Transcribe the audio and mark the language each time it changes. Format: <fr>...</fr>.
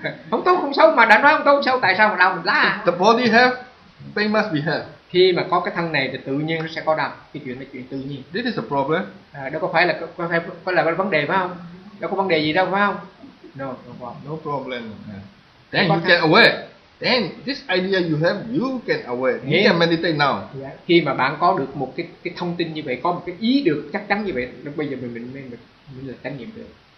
<vi>Không tốt, không xấu, mà đã nói không tốt, xấu, tại sao mà đau mình la?</vi> <en>The body have, pain must be have.</en> <vi>Khi mà có cái thân này thì tự nhiên nó sẽ có đau. Cái chuyện là chuyện tự nhiên.</vi> <en>This is a problem.</en> <vi>Đó có phải là vấn đề phải không? Đó có vấn đề gì đâu phải không?</vi> <en>No problem. Then you get away. Then this idea you have, you can aware. You can meditate now. Yeah.</en> <vi>Khi mà bạn có được một cái thông tin như vậy, có một cái ý được chắc chắn như vậy, lúc bây giờ mình là trải nghiệm được.</vi>